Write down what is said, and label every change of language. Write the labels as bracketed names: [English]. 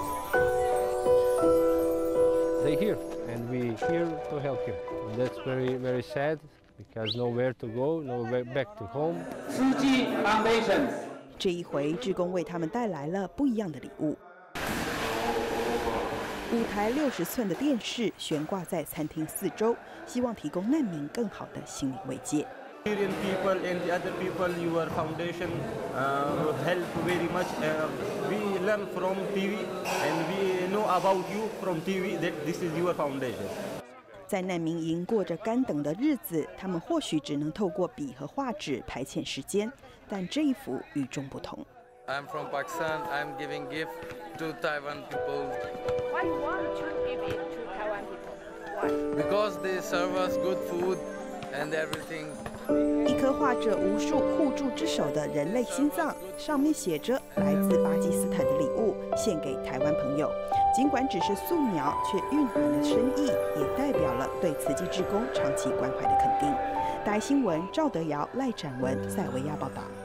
[English] They here, and we here to help him. That's very, very sad because nowhere to go, nowhere back to home. [Chinese] 慈济 Foundation，这一回志工为他们带来了不一样的礼物。 5台60寸的电视悬挂在餐厅四周，希望提供难民更好的心理慰藉。 [English] Syrian people and the other people, your foundation help very much. We learn from TV and we know about you from TV that this is your foundation. [Chinese] 在难民营过着干等的日子，他们或许只能透过笔和画纸排遣时间，但这一幅与众不同。 [English] I'm from Pakistan. I'm giving gift to Taiwan people. Why won't you give it to Taiwan people? Why? Because they serve us good food and everything. [Chinese] 一颗画着无数互助之手的人类心脏，上面写着来自巴基斯坦的礼物，献给台湾朋友。尽管只是素描，却蕴含了深意，也代表了对慈济志工长期关怀的肯定。大爱新闻赵德瑶、赖展文塞维亚报道。